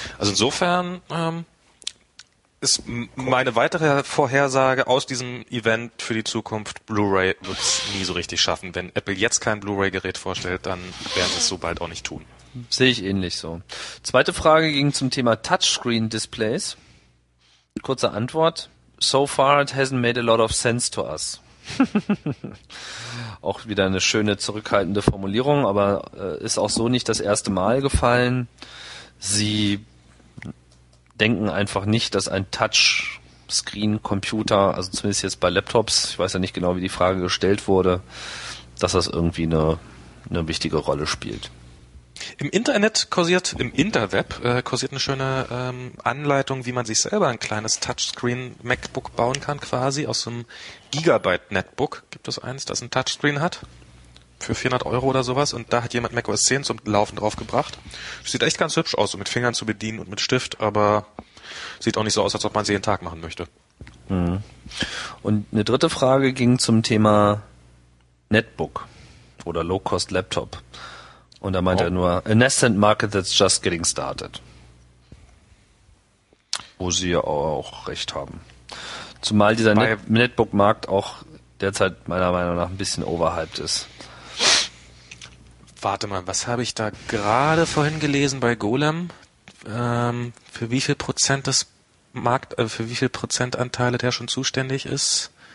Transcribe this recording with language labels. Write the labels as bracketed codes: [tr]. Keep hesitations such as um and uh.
[de] Also insofern ähm, ist m- meine weitere Vorhersage aus diesem Event für die Zukunft, Blu-ray wird es nie so richtig schaffen. Wenn Apple jetzt kein Blu-ray-Gerät vorstellt, dann werden sie es so bald auch nicht tun. Sehe ich ähnlich so. Zweite Frage ging zum Thema Touchscreen-Displays. Kurze Antwort. [en] So far it hasn't made a lot of sense to us. [de] auch wieder eine schöne zurückhaltende Formulierung, aber äh, ist auch so nicht das erste Mal gefallen. Sie denken einfach nicht, dass ein Touchscreen-Computer, also zumindest jetzt bei Laptops, ich weiß ja nicht genau, wie die Frage gestellt wurde, dass das irgendwie eine, eine wichtige Rolle spielt. Im Internet kursiert, im Interweb äh, kursiert eine schöne ähm, Anleitung, wie man sich selber ein kleines Touchscreen-MacBook bauen kann, quasi aus einem Gigabyte-Netbook. Gibt es eins, das ein Touchscreen hat? Für 400 Euro oder sowas. Und da hat jemand macOS 10 zum Laufen draufgebracht. Sieht echt ganz hübsch aus, so mit Fingern zu bedienen und mit Stift, aber sieht auch nicht so aus, als ob man es jeden Tag machen möchte. Und eine dritte Frage ging zum Thema Netbook oder Low-Cost Laptop. Und da meinte Oh. er nur, [en] a nascent market that's just getting started. [de] Wo sie ja auch recht haben. Zumal dieser Bei- Net Netbook-Markt auch derzeit meiner Meinung nach ein bisschen overhyped ist. Warte mal, was habe ich da gerade vorhin gelesen bei Golem? Ähm, für wie viel Prozent des Markt, äh, für wie viel Prozentanteile der schon zuständig ist?